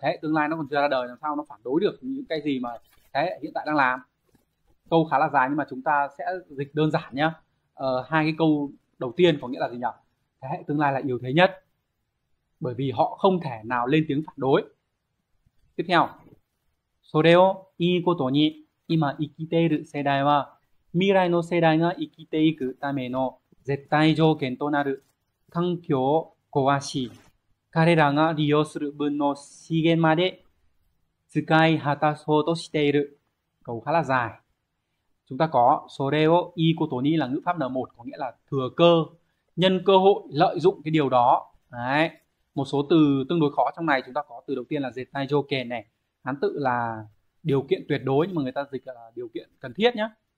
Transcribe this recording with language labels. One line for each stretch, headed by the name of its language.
Vietnamese: Thế hệ tương lai nó còn chưa ra đời, làm sao nó phản đối được những cái gì mà thế hệ hiện tại đang làm? Câu khá là dài nhưng mà chúng ta sẽ dịch đơn giản nhá. Hai cái câu đầu tiên có nghĩa là gì nhỉ? Thế hệ tương lai là yếu thế nhất, bởi vì họ không thể nào lên tiếng phản đối.
Japanese: Tiếp theo, それを いいことに今生きている世代は未来の世代が生きていくための絶対条件となる環境を壊し、彼らが利用する分の資源まで使い果たそうとしている。
Vietnamese: câu khá là dài. Chúng ta có
Japanese: それを いいことに
Vietnamese: là ngữ pháp N1 có nghĩa là thừa cơ, nhân cơ hội lợi dụng cái điều đó. Đấy. Một số từ tương đối khó trong này chúng ta có từ đầu tiên là zettai joken này. Hán tự là điều kiện tuyệt đối nhưng mà người ta dịch là điều kiện cần thiết nhé.